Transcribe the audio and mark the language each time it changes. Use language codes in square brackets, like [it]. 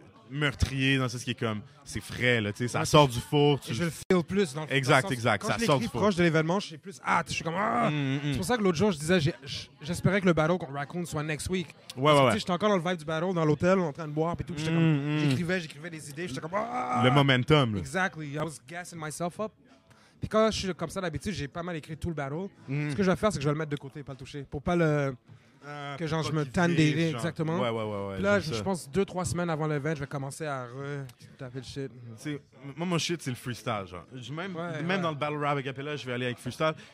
[fr] Meurtrier dans ce qui est comme c'est frais là, tu sais, ça sort du four, je le feel plus dans le exact sens, exact quand ça sort du four proche de l'événement, je suis plus je suis comme C'est pour ça que l'autre jour je disais j'espérais que le battle contre Raccoon soit [en] next week. [fr] Ouais, j'étais encore dans le vibe du battle dans l'hôtel en train de boire et tout, j'étais comme j'écrivais des idées, j'étais comme le momentum là. [en] Exactly, I was gassing myself up. [fr] Puis quand je suis comme ça d'habitude, j'ai pas mal écrit tout le battle. Ce que je vais faire, c'est que je vais le mettre de côté, pas le toucher, pour pas le que genre je me tanne des rires, exactement. Ouais. Là, je pense 2-3 semaines avant l'event, je vais commencer à taper le shit. T'sais, moi, mon shit, c'est le freestyle. Genre. Même dans le battle rap avec Capella, je vais aller avec freestyle.